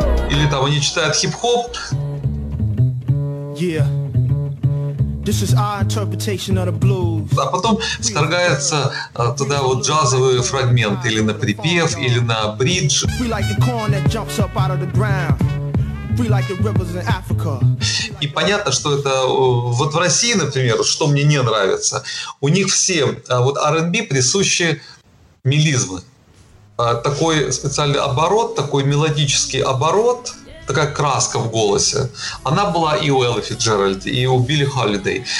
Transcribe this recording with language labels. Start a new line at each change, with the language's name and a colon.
Russian: Или там они читают хип-хоп.
English: Yeah. This is our interpretation of the blues.
Russian: А потом вторгается туда вот джазовые фрагменты или на припев, или на бридж.
English: We like the corn that jumps up out of the ground. We like the rivers in Africa.
Russian: И понятно, что это вот в России, например, что мне не нравится, у них все вот R&B присущи мелизмы. Такой специальный оборот, такой мелодический оборот, такая краска в голосе, она была и у Эллы Фицджеральд, и у Билли Холлидей.